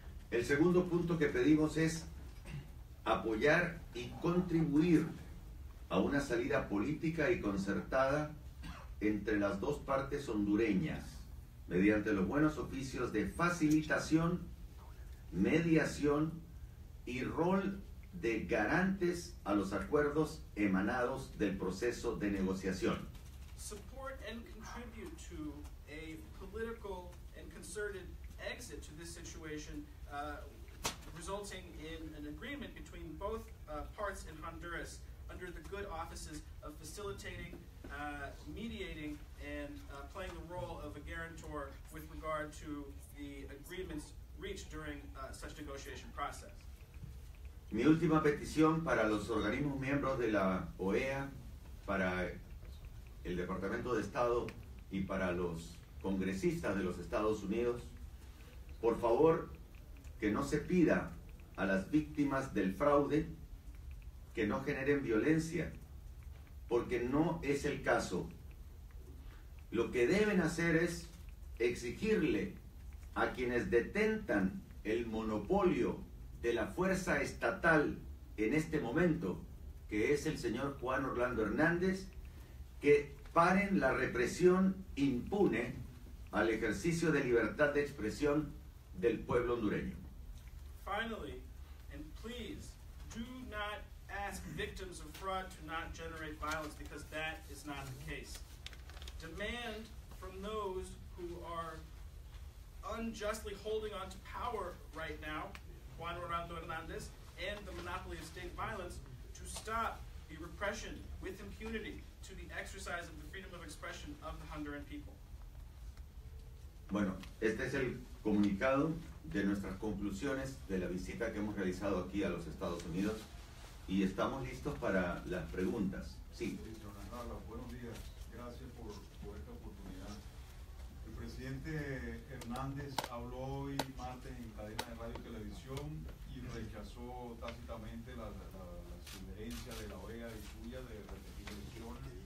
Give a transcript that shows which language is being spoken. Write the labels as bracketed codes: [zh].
[es] El segundo punto que pedimos es apoyar y contribuir a una salida política y concertada entre las dos partes hondureñas, mediante los buenos oficios de facilitación, mediación y rol de garantes a los acuerdos emanados del proceso de negociación. [en] Support and contribute to a political and concerted exit to this situation, resulting in an agreement between both parts in Honduras under the good offices of facilitating, mediating, and playing the role of a guarantor with regard to the agreements reached during such negotiation process. [es] Mi última petición para los organismos miembros de la OEA, para el Departamento de Estado y para los congresistas de los Estados Unidos, por favor, que no se pida a las víctimas del fraude que no generen violencia, porque no es el caso. Lo que deben hacer es exigirle a quienes detentan el monopolio de la fuerza estatal en este momento, que es el señor Juan Orlando Hernández, que paren la represión impune al ejercicio de libertad de expresión del pueblo hondureño. [en] Finally, and please, do not ask victims of fraud to not generate violence, because that is not the case. Demand from those who are unjustly holding on to power right now, Juan Orlando Hernandez, and the monopoly of state violence, to stop the repression with impunity to the exercise of the freedom of expression of the Honduran people. [es] Bueno, este es el comunicado de nuestras conclusiones de la visita que hemos realizado aquí a los Estados Unidos, y estamos listos para las preguntas. Sí. Buenos días. Gracias por esta oportunidad. El presidente Hernández habló hoy martes en cadena de radio y televisión y rechazó tácitamente la sugerencia de la OEA y suya de repetir elecciones.